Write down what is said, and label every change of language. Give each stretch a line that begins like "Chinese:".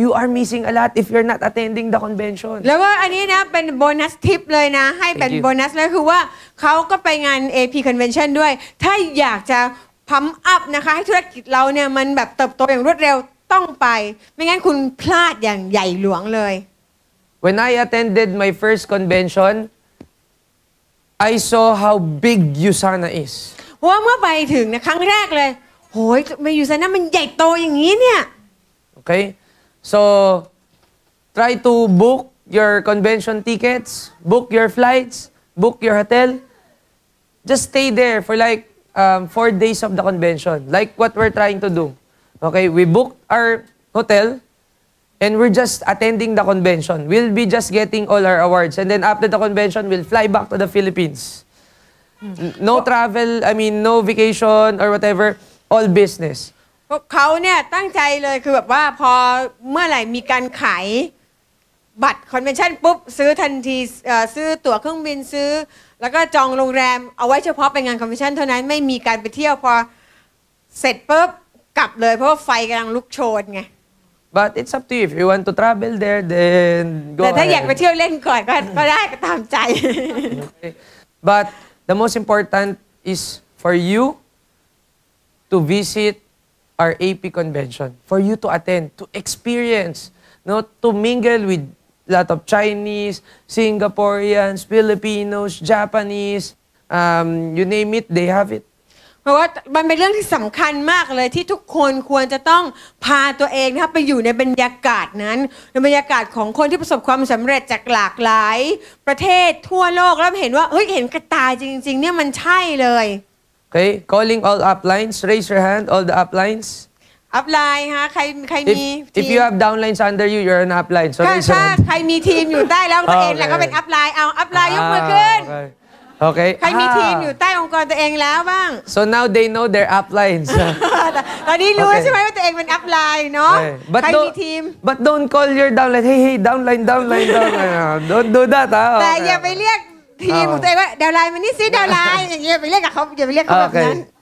English: You are missing a lot if you're not attending the convention.
Thai: แล้วก็อันนี้นะเป็นโบนัสทิปเลยนะให้เป็นโบนัสเลยคือว่าเขาก็ไปงาน AP convention ด้วยถ้าอยากจะพัมป์อัพนะคะให้ธุรกิจเราเนี่ยมันแบบเติบโตอย่างรวดเร็วต้องไปไม่งั้นคุณพลาดอย่างใหญ่หลวงเลย
English: When I attended my first conventionI saw how big USANA is.
Thai: ว่าเมื่อไปถึงนะครั้งแรกเลยโหยทำไม USANA มันใหญ่โตอย่างนี้เนี่ย
English: Okay. So try to book your convention tickets, book your flights, book your hotel. Just stay there for like 4 days of the convention, like what we're trying to do. Okay, we booked our hotel and we're just attending the convention. We'll be just getting all our awards. And then after the convention, we'll fly back to the Philippines. No travel, I mean, no vacation or whatever. All business.
Thai: เขาเนี่ยตั้งใจเลยคือแบบว่าพอเมื่อไหร่มีการขายบัตรคอนเวนชั่นปุ๊บซื้อทันทีซื้อตั๋วเครื่องบินซื้อแล้วก็จองโรงแรมเอาไว้เฉพาะไปงานคอนเวนชั่นเท่านั้นไม่มีการไปเที่ยวพอเสร็จปุ๊บกลับเลยเพราะว่าไฟกำลังลุกโชนไง
English: But it's up to you. If you want to travel there, then go ahead.
Thai: แต่ถ้าอยากไปเที่ยวเล่นก่อนก็ได้ก็ตามใจ okay.
English: But the most important is for you to visit our AP convention. For you to attend, to experience, not to mingle with a lot of Chinese, Singaporeans, Filipinos, Japanese, you name it, they have it.
Thai: เพราะว่ามันเป็นเรื่องที่สำคัญมากเลยที่ทุกคนควรจะต้องพาตัวเองนะครับไปอยู่ในบรรยากาศนั้นในบรรยากาศของคนที่ประสบความสำเร็จจากหลากหลายประเทศทั่วโลกแล้วเห็นว่าเฮ้ยเห็นกระตาจริงๆเนี่ยมันใช่เลย
English: โอเค calling all uplines raise your hand all the uplines
Thai: upline ฮะใครมี
English: if you have downlines under you you're an upline so
Thai: ถ้าใครมีทีมอยู่ใต้แล้วตัวเองแล้วก็เป็น upline เอา upline ยกมือขึ้น โอเค ใครมีทีมอยู่ใต้องค์กรตัวเองแล้วบ้าง
English: so now they know their uplines
Thai: ตอนนี้รู้ใช่ไหมว่าตัวเองเป็น upline เนาะใครมีทีม
English: but don't call your downline hey downline don't do that
Thai: แต่อย่าไปเรียกทีมของตัวเองว่า downline มันนี่ซิ downline อย่างเงี้ยไปเรียกกับเขาอย่าไปเรียกเขาแบบนั้น